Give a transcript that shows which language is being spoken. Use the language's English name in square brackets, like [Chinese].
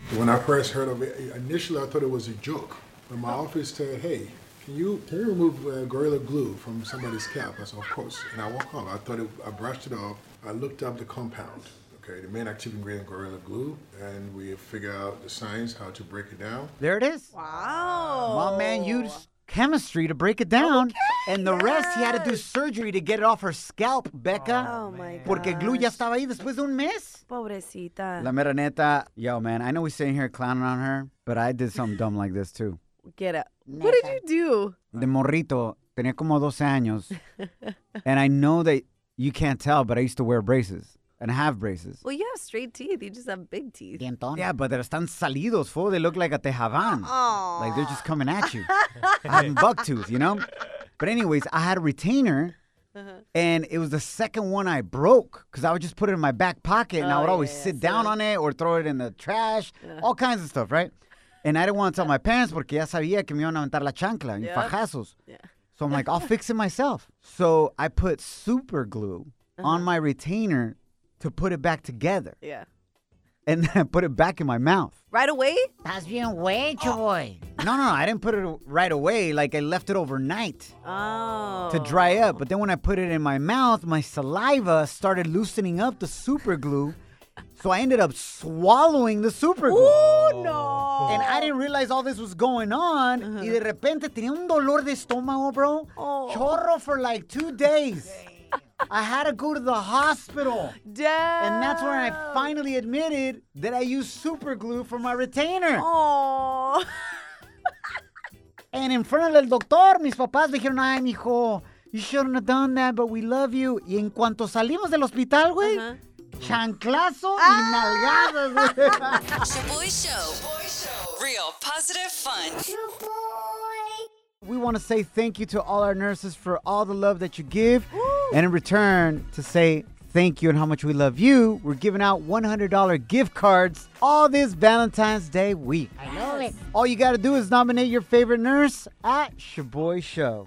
[English] When I first heard of it, initially I thought it was a joke. But my office said, hey, can you remove Gorilla Glue from somebody's scalp? I said, of course. And I walked off. I brushed it off. I looked up the compound. Okay, the main active ingredient, Gorilla Glue, and we figure out the science, how to break it down. There it is. Wow. My man used chemistry to break it down. Okay. And the rest, he had to do surgery to get it off her scalp, Becca. Oh, my God. [Spanish] Porque glue ya estaba ahí después de un mes. Pobrecita. La mera neta. [English] Yo, man, I know we're sitting here clowning on her, but I did something dumb like this, too. Get up. What did you do? [Spanish] De morrito, tenía como 12 años. [English] And I know that you can't tell, but I used to wear braces and have braces. Well, you have straight teeth. You just have big teeth. Yeah, but they're [Spanish] están salidos, [English] fool. They look like a tejaban. Aww. Like they're just coming at you. I have buck tooth, you know? But anyways, I had a retainer. Uh-huh. And it was the second one I broke because I would just put it in my back pocket and I would always sit down on it or throw it in the trash. Yeah. All kinds of stuff, right? And I didn't want to tell my parents [Spanish] porque ya sabía que me iban a aventar la chancla y fajazos. [English] Yeah. So I'm like, I'll fix it myself. So I put super glue on my retainer to put it back together. Yeah. And then I put it back in my mouth. Right away? That's being way joy. No, I didn't put it right away. Like, I left it overnight to dry up. But then when I put it in my mouth, my saliva started loosening up the super glue. So I ended up swallowing the super glue. Ooh, no. And I didn't realize all this was going on. Uh-huh. [Spanish] Y de repente tenía un dolor de estómago, bro. Oh. [English] Chorro for like 2 days. I had to go to the hospital. Damn. And that's when I finally admitted that I used super glue for my retainer. Oh. And in front of [Spanish] el doctor, mis papás dijeron, ay, mijo, [English] you shouldn't have done that, but we love you. [Spanish] Y en cuanto salimos del hospital, güey, chanclazo y nalgadas. [English] Shaboy Show. Real positive fun. Shaboy. We want to say thank you to all our nurses for all the love that you give. Woo. And in return, to say thank you and how much we love you, we're giving out $100 gift cards all this Valentine's Day week. I know it. All you got to do is nominate your favorite nurse at Shaboy Show.